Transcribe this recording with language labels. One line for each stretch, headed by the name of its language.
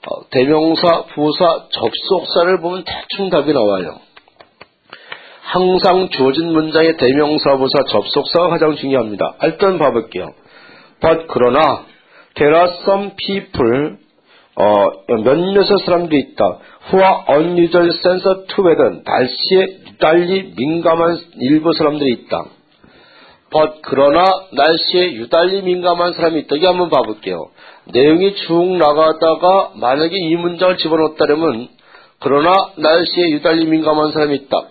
Korean: 대명사, 부사, 접속사를 보면 대충 답이 나와요. 항상 주어진 문장의 대명사, 부사, 접속사가 가장 중요합니다. 일단 봐볼게요.
English: But
Korean: 그러나
English: there are some people
Korean: 몇몇의 사람들이 있다.
English: Who are unusual sensitive to weather
Korean: 날씨에 달리 민감한 일부 사람들이 있다. But 그러나 날씨에 유달리 민감한 사람이 있다. 여기 한번 봐볼게요. 내용이 쭉 나가다가 만약에 이 문장을 집어넣었다면 그러나 날씨에 유달리 민감한 사람이 있다.